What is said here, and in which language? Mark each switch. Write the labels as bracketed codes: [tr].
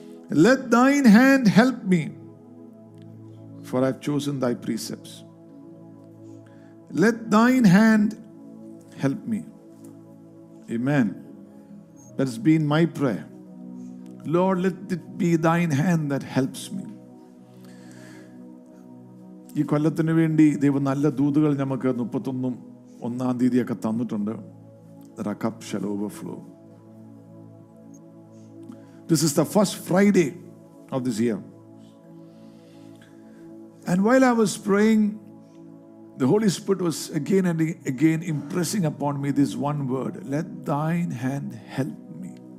[en] Let thine hand help me, for I've chosen thy precepts. Let thine hand help me. Amen. That has been my prayer. Lord, let it be thine hand that helps me. [ml] ഈ കൊല്ലത്തിന് വേണ്ടി ദൈവം നല്ല ദൂതുകൾ നമുക്ക് 31 ഒന്നാം തീയതിയൊക്കെ തന്നിട്ടുണ്ട്. [en] The cup shall overflow. This is the first Friday of this year. And while I was praying, the Holy Spirit was again and again impressing upon me this one word, let thine hand help me.